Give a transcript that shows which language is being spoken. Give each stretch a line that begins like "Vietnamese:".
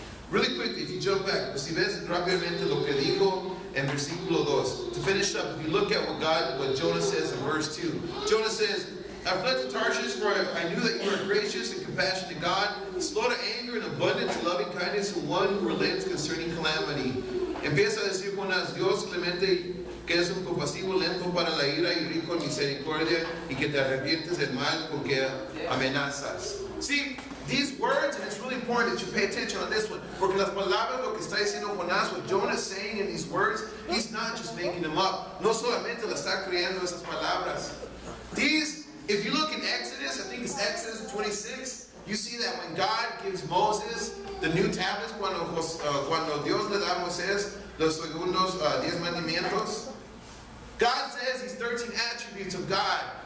English: Really quickly, if you jump back,
Spanish: si ves rápidamente lo que dijo en versículo 2.
English: To finish up, if you look at what Jonah says in verse 2. Jonah says, I fled to Tarshish, for I knew that you are gracious and compassionate God, slow to anger and abundant to loving kindness, and one who relents concerning calamity.
Spanish: Empieza a decir con las Dios clemente, que es un compasivo lento para la ira y rico en misericordia, y que te arrepientes del mal con que amenazas.
English: See, these words, and it's really important that you pay attention on this one,
Spanish: porque las palabras lo que está diciendo Jonás,
English: what Jonah's saying in these words, he's not just making them up.
Spanish: No solamente la está creando esas palabras.
English: If you look in Exodus, I think it's Exodus 26, you see that when God gives Moses the new tablets,
Spanish: cuando Dios le da a Moses los segundos 10 mandamientos,
English: God says these 13 attributes of God.